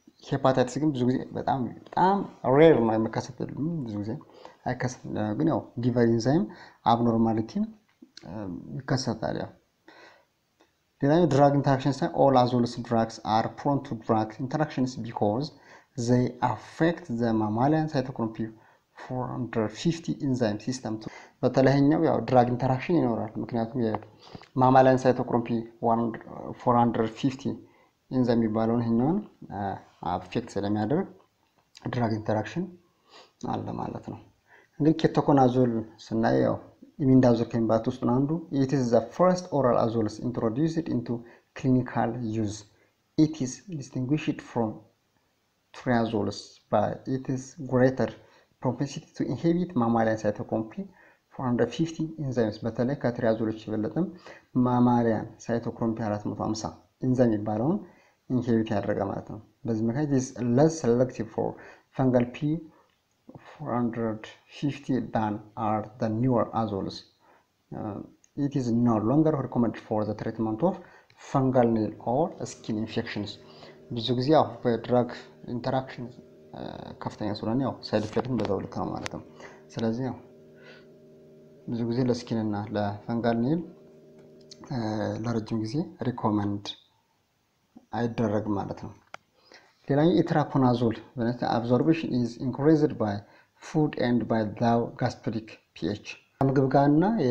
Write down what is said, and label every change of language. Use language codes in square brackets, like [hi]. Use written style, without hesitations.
[am] hepatitis ግን ብዙ ጊዜ በጣም rare ነው የሚከሰተው። ብዙ ጊዜ አይከሰትም ግን ያው liver enzyme abnormality ይከሰታል ያው። ሌላ ድራግ ኢንተራክሽንስ [en] all azoles drugs are prone to drug interactions because they affect the mammalian cytochrome P450 enzyme system too. [am] በተለይኛው ያው ድራግ ኢንተራክሽን ይኖራል ምክንያቱም የማማሊያን ሳይቶክሮም P450 enzyme ይባላል ይሄንን አፌክት ስለሚያደርግ ድራግ ኢንተራክሽን አለ ማለት ነው። እንግዲህ ኬቶኮናዞል ስናየው ኢሚንዳዞል ከሚባሉት ውስጥ አንዱ [en] it is the first oral azoles introduced into clinical use. it is distinguished from triazoles by its greater propensity to inhibit mammalian cytochrome P450 enzymes. [am] በተለይ ከትሪያዞሎች ይበልጥም ማማሊያን ሳይቶክሮም P450 enzyme ይባላል ኢንሂቢት ያደርጋ ማለት ነው። በዚህ ምክንያት [en] is less selective for fungal P 450 than are the newer azoles. it is no longer recommended for the treatment of fungal nail or skin infections. [am] ብዙ ጊዜ ያው በድራግ ኢንተራክሽን ከፍተኛ ስለሆነ ያው ሳይድ ኢፌክትን በዛው ልክ ነው ማለት ነው። ስለዚህ ያው ብዙ ጊዜ ለስኪን እና ለፈንጋል ኔል ለረጅም ጊዜ ሪኮመንድ አይደረግም ማለት ነው። ሌላኛው ኢትራኮናዞል በነሳ [en] አብዞርፕሽን ኢዝ ኢንክሪዝድ ባይ food and by the gastric pH. [am] ምግብ ጋርና